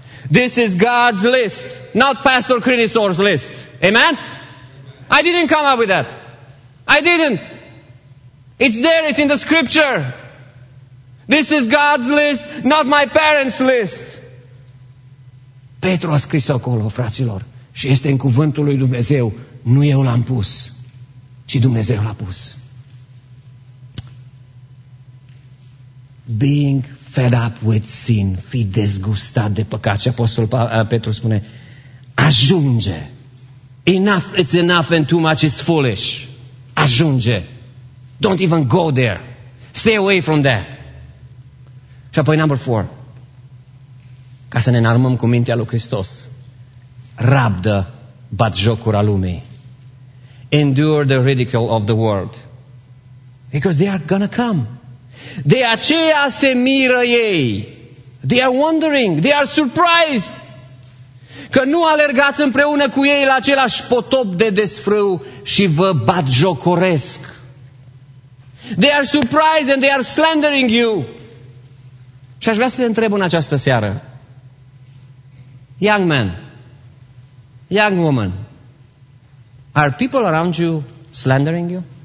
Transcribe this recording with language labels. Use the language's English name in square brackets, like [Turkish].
[English] This is God's list, not Pastor Crinisor's list. Amen? I didn't come up with that. I didn't. It's there, it's in the scripture. This is God's list, not my parents' list. [Romanian] Petru a scris acolo, fraților, și este în cuvântul lui Dumnezeu. Nu eu l-am pus, ci Dumnezeu l-a pus. [English] Being fed up with sin, [Romanian] fi dezgustat de păcat. Și Apostolul Petru spune, ajunge. [English] Enough, it's enough and too much is foolish. [Romanian] Ajunge. [English] Don't even go there. Stay away from that. [Romanian] Și apoi, [English] number 4, [Romanian] ca să ne înarmăm cu mintea lui Hristos, rabdă batjocura lumii. [English] Endure the ridicule of the world. Because they are gonna come. [Romanian] De aceea se miră ei. [English] They are wondering, they are surprised [Romanian] că nu alergați împreună cu ei la același potop de desfrâu și vă batjocoresc. [English] They are surprised and they are slandering you. [Romanian] Și aș vrea să te întreb în această seară. [English] Young man, young woman, are people around you slandering you?